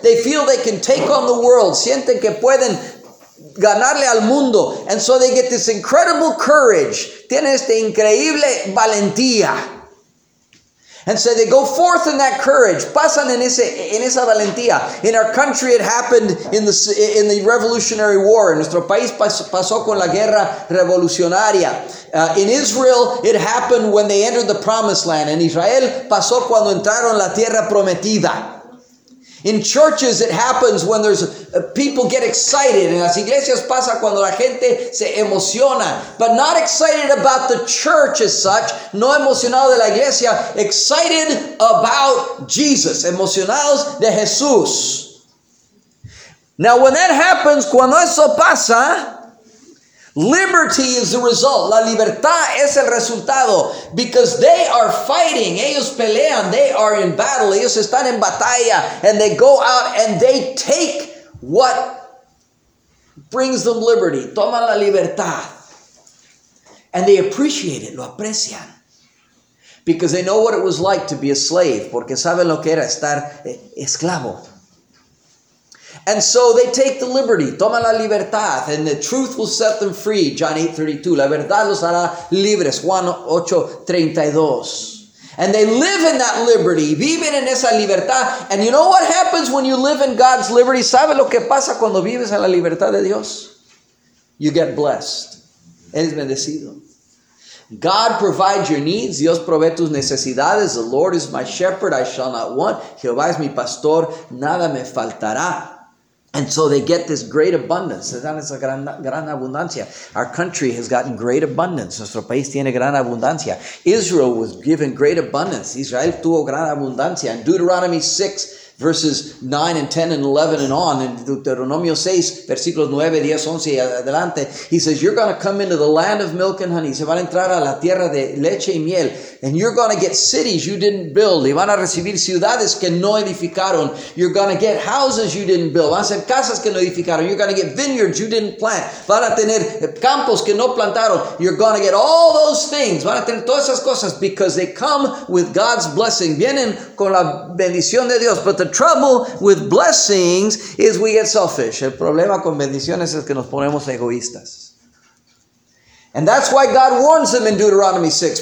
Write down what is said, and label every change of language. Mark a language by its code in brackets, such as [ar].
[en] They feel they can take on the world. [es] Sienten que pueden ganarle al mundo. [en] And so they get this incredible courage. [es] Tienen esta increíble valentía. [en] And so they go forth in that courage. [es] Pasan en esa valentía. [en] In our country, it happened in the Revolutionary War. [es] En nuestro país pasó con la guerra revolucionaria. [en] In Israel, it happened when they entered the Promised Land. [es] En Israel, pasó cuando entraron la tierra prometida. [en] In churches, it happens when people get excited. [es] En las iglesias pasa cuando la gente se emociona. [en] But not excited about the church as such. [es] No emocionado de la iglesia. [en] Excited about Jesus. [es] Emocionados de Jesús. [en] Now, when that happens, [es] cuando eso pasa, [en] liberty is the result. [es] La libertad es el resultado. [en] Because they are fighting. [es] Ellos pelean. [en] They are in battle. [es] Ellos están en batalla. [en] And they go out and they take what brings them liberty. [es] Toman la libertad. [en] And they appreciate it. [es] Lo aprecian. [en] Because they know what it was like to be a slave. [es] Porque saben lo que era estar esclavo. [en] And so they take the liberty, [es] toma la libertad, [en] and the truth will set them free, John 8:32. [es] La verdad los hará libres, Juan 8:32. [en] And they live in that liberty, [es] viven en esa libertad. [en] And you know what happens when you live in God's liberty? [es] ¿Sabe lo que pasa cuando vives en la libertad de Dios? [en] You get blessed. [es] Eres bendecido. [en] God provides your needs. [es] Dios provee tus necesidades. [en] The Lord is my shepherd, I shall not want. [es] Jehová es mi pastor, nada me faltará. [en] And so they get this great abundance. [es] Se dan esa gran abundancia. [en] Our country has gotten great abundance. [es] Nuestro país tiene gran abundancia. [en] Israel was given great abundance. [es] Israel tuvo gran abundancia. [en] In Deuteronomy 6, verses 9 and 10 and 11 and on, in [es] Deuteronomio 6, versículos 9, 10, 11 y adelante, [en] he says, you're going to come into the land of milk and honey. [es] Se van a entrar a la tierra de leche y miel. [en] And you're going to get cities you didn't build. [es] Y van a recibir ciudades que no edificaron. [en] You're going to get houses you didn't build. [es] Van a ser casas que no edificaron. [en] You're going to get vineyards you didn't plant. [es] Van a tener campos que no plantaron. [en] You're going to get all those things. [es] Van a tener todas esas cosas [en] because they come with God's blessing. [es] Vienen con la bendición de Dios. [en] But the trouble with blessings is we get selfish. [es] El problema con bendiciones es que nos ponemos egoístas. [en] And that's why God warns them in Deuteronomy 6.